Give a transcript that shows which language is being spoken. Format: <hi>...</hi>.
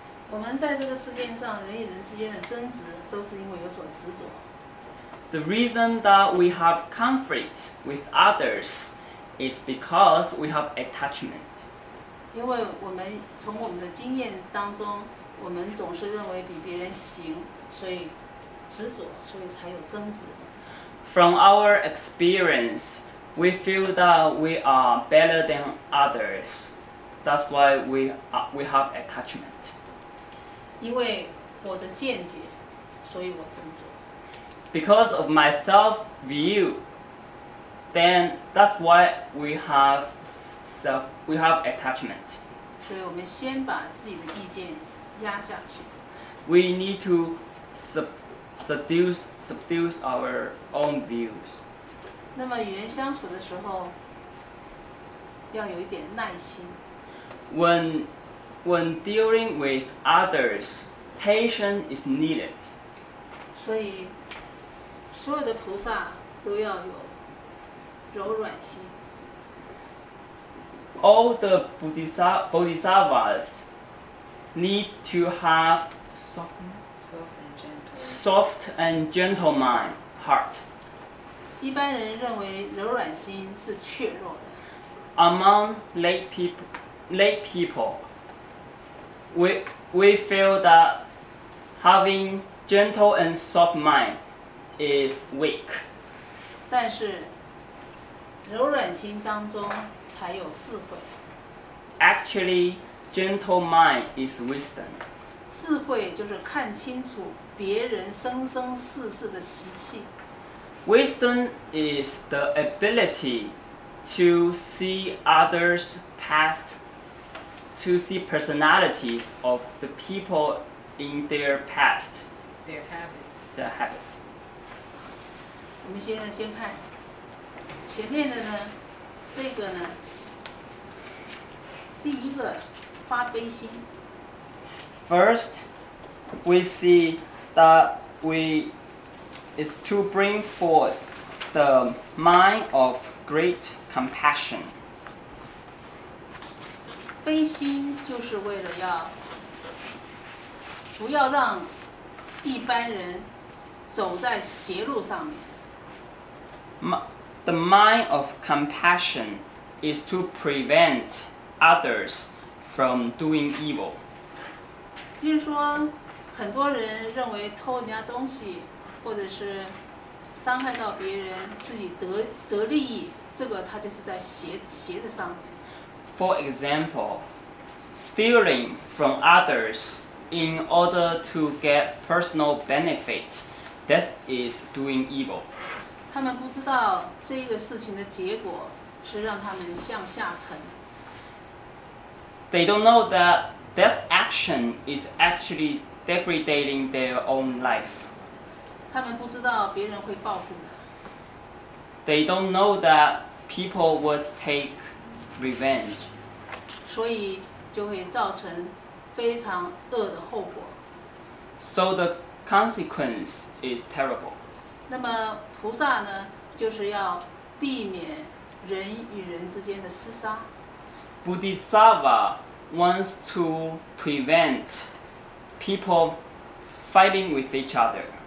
<zh>我们在这个世界上，人与人之间的争执都是因为有所执着。</zh> <en>The reason that we have conflict with others is because we have attachment.</en> <zh>因为我们从我们的经验当中，我们总是认为比别人行，所以执着，所以才有争执。</zh> <en>From our experience, we feel that we are better than others. That's why we have attachment.</en> <zh>因为我的见解，所以我执着。</zh> <en>Because of my self-view, then that's why we have attachment.</en> <zh>所以我们先把自己的意见压下去。</zh> <en>We need to subdue our own views.</en> <zh>那么与人相处的时候要有一点耐心。</zh> <en>When dealing with others, patience is needed.</en> <zh>所以所有的菩萨都要有柔软心。</zh> <en>All the bodhisattvas need to have soft and gentle mind, heart.</en> <zh>一般人认为柔软心是怯弱的。</zh> <en>Among lay people, we feel that having gentle and soft mind is weak.</en> <zh>但是柔软心当中才有智慧。</zh> <en>Actually, gentle mind is wisdom.</en> <zh>智慧就是看清楚别人生生世世的习气。</zh> <en>Wisdom is the ability to see others past, to see personalities of the people in their past. Their habits.</en> <zh>我们现在先看前面的呢，这个呢，第一个发悲心。</zh> <en>First, we see that we is to bring forth the mind of great compassion.</en> <zh>悲心就是为了要不要让一般人走在邪路上面。</zh> <en>The mind of compassion is to prevent others from doing evil.</en> <zh>比如说，很多人认为偷人家东西，或者是伤害到别人，自己得利益，这个他就是在邪的上面。</zh> <en>For example, stealing from others in order to get personal benefit, that is doing evil.</en> <zh>他们不知道这个事情的结果是让他们向下沉。</zh> <en>They don't know that this action is actually degrading their own life.</en> <zh>他们不知道别人会报复的。</zh> <en>They don't know that people would take revenge.</en> <zh>所以就会造成非常恶的后果。</zh> <en>So the consequence is terrible.</en> <zh>那么菩萨呢，就是要避免人与人之间的厮杀。</zh> <en>Bodhisattva wants to prevent people fighting with each other.</en>